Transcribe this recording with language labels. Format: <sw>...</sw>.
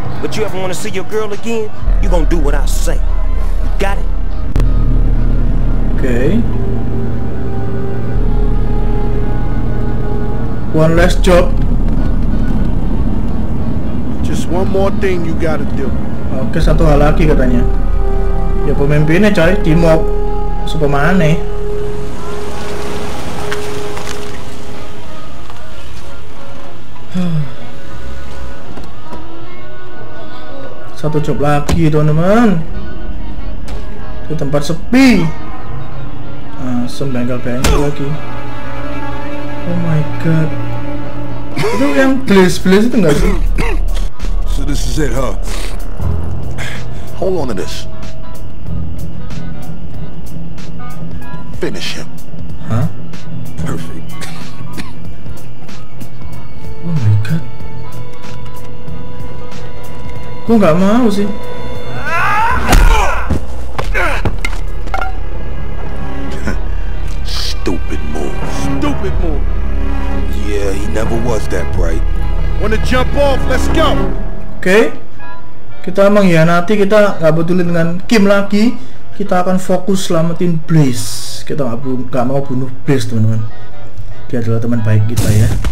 <en>But you ever wanna see your girl again? You gonna do what I say. You got it? Okay. One last job. Just one more thing you gotta do.</en> <id>Oke, satu hal lagi katanya. Ya pemimpinnya cari Timok. Superman nih. Satu job lagi, teman-teman. Di tempat sepi. Sembengkel-bengkel lagi.</id> <en>Oh my god.</en> <id>Itu yang bliss-bliss itu enggak sih?</id> <en>So this is it, huh? Hold on to this. Finish him. Huh? Perfect. Oh my god.</en> <id>Kok gak mau sih?</id> <en>Stupid move. Stupid move. Yeah, he never was that bright. Wanna jump off? Let's go. Okay.</en> <id>Kita mengkhianati, kita nggak peduli dengan Kim lagi. Kita akan fokus selamatin Blaze. Kita nggak mau bunuh Blaze, teman-teman. Dia adalah teman baik kita ya.</id>